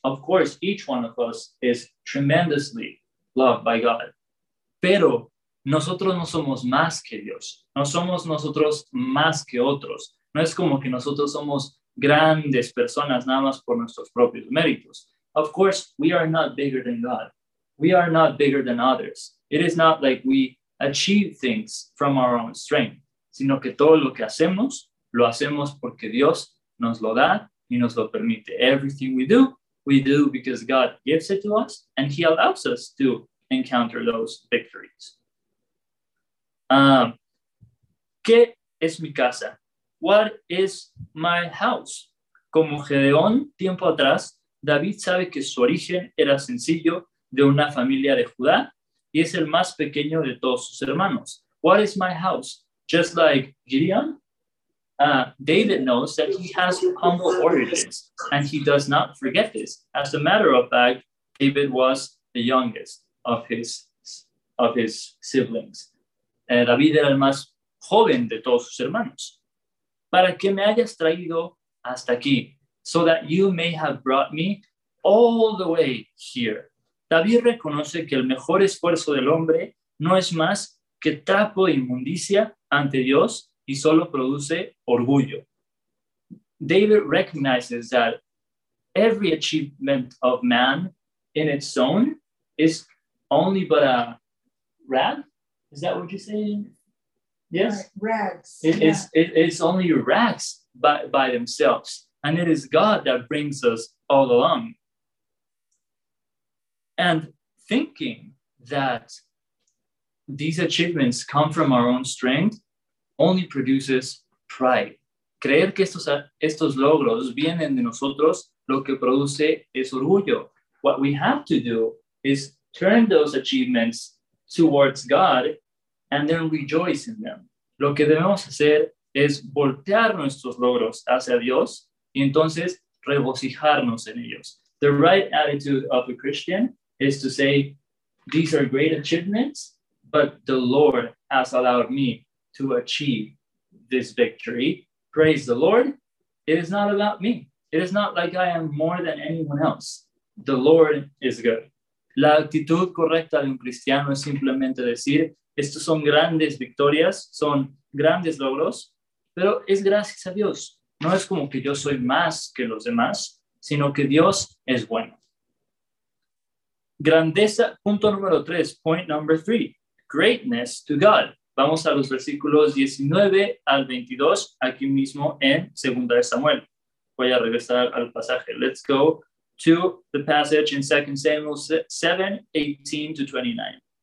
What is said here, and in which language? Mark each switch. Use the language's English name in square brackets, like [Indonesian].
[English] Of course, each one of us is tremendously loved by God. [Spanish] Pero nosotros no somos más que Dios. No somos nosotros más que otros. No es como que nosotros somos grandes personas nada más por nuestros propios méritos. [English] Of course, we are not bigger than God. We are not bigger than others. It is not like we achieve things from our own strength, [Spanish] sino que todo lo hacemos porque Dios nos lo da y nos lo permite. [English] Everything we do because God gives it to us and he allows us to encounter those victories. [Spanish] ¿Qué es mi casa? [English] What is my house? [Spanish] Como Gedeón, tiempo atrás, David sabe que su origen era sencillo de una familia de Judá y es el más pequeño de todos sus hermanos. [English] What is my house? Just like Gideon, David knows that he has humble origins and he does not forget this. As a matter of fact, David was the youngest of his siblings. [Spanish] David era el más joven de todos sus hermanos. Para que me hayas traído hasta aquí, [English] so that you may have brought me all the way here. [Spanish] David reconoce que el mejor esfuerzo del hombre no es más que trapo de inmundicia ante Dios y solo produce orgullo. [English] David recognizes that every achievement of man in its own is only but a rag. Is that what you're saying? Yes? Rags. It's only rags by themselves. And it is God that brings us all along. And thinking that these achievements come from our own strength only produces pride. [Spanish] Creer que estos logros vienen de nosotros, lo que produce es orgullo. [English] What we have to do is turn those achievements towards God and then rejoice in them. [Spanish] Lo que debemos hacer es voltear nuestros logros hacia Dios y entonces regocijarnos en ellos. [English] The right attitude of a Christian is to say, these are great achievements, but the Lord has allowed me to achieve this victory. Praise the Lord. It is not about me. It is not like I am more than anyone else. The Lord is good. [Spanish] La actitud correcta de un cristiano es simplemente decir, estos son grandes victorias, son grandes logros, pero es gracias a Dios. No es como que yo soy más que los demás, sino que Dios es bueno. Grandeza, punto número 3, [English] point number 3, greatness to God. [Spanish] Vamos a los versículos 19 al 22, aquí mismo en 2 Samuel. Voy a regresar al pasaje. [English] Let's go to the passage in 2 Samuel 7, 18 to 29.